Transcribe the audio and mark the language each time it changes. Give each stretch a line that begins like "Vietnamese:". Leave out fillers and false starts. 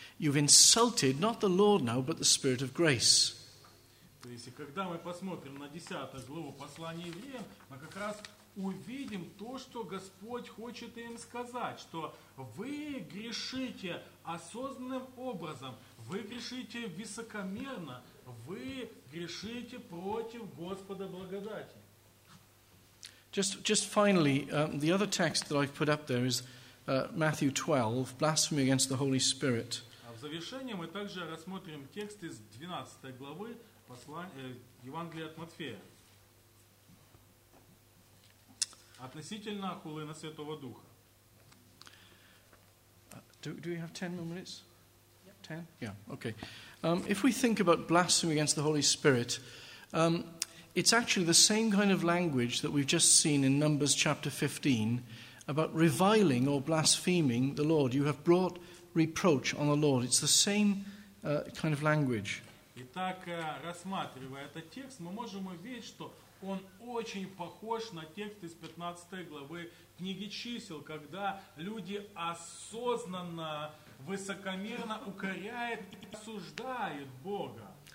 English: You've insulted not the Lord now, but the Spirit of grace.
Russian: Когда мы посмотрим на 10 главу послания евреям, мы как раз увидим то, что Господь хочет им сказать, что вы грешите осознанным образом, вы грешите высокомерно, вы грешите против Господа благодати.
English: Just finally, the other text that I've put up there is Matthew 12, blasphemy against the Holy Spirit.
Russian: А в завершение мы также рассмотрим текст из 12 главы Евангелия от Матфея. Относительно хулы на Святого Духа.
English: Do we have 10 more minutes? 10? Yep. Yeah, okay. If we think about blasphemy against the Holy Spirit, it's actually the same kind of language that we've just seen in Numbers chapter 15 about reviling or blaspheming the Lord. You have brought reproach on the Lord. It's the same kind of language.
Russian: Итак, рассматривая этот текст, мы можем увидеть, что он очень похож на текст из 15 главы книги чисел, когда люди осознанно, высокомерно укоряют и осуждают Бога.